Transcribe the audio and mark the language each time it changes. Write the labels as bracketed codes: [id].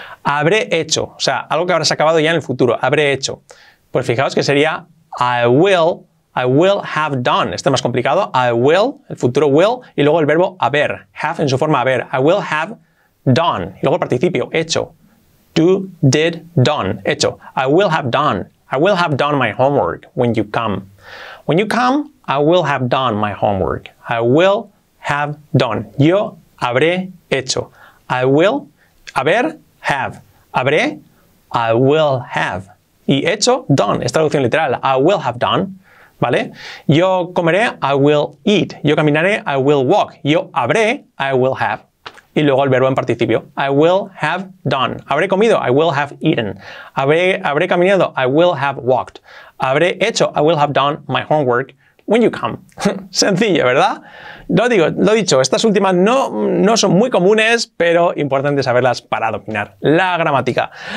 [es] Habré hecho, o sea, algo que habrás acabado ya en el futuro, habré hecho. Pues fijaos que sería [en] I will have done. [es] Este es más complicado. [en] I will, [es] el futuro will, y luego el verbo haber, have en su forma haber. [en] I will have done. [es] Y luego el participio, hecho. [en] Do, did, done. Hecho. I will have done. I will have done my homework when you come. When you come, I will have done my homework. I will have done. [es] Yo habré hecho. [en] I will, haber, have. Habré, I will have. Y hecho, done. [es] Es traducción literal. [en] I will have done. ¿Vale? [es] Yo comeré, [en] I will eat. [es] Yo caminaré, [en] I will walk. [es] Yo habré, [en] I will have. [es] y luego el verbo en participio. [en] I will have done. [es] Habré comido. [en] I will have eaten. [es] Habré caminado. [en] I will have walked. [es] Habré hecho. [en] I will have done my homework when you come. [es] Sencillo, ¿verdad? Lo dicho, estas últimas no son muy comunes, pero importante saberlas para dominar la gramática.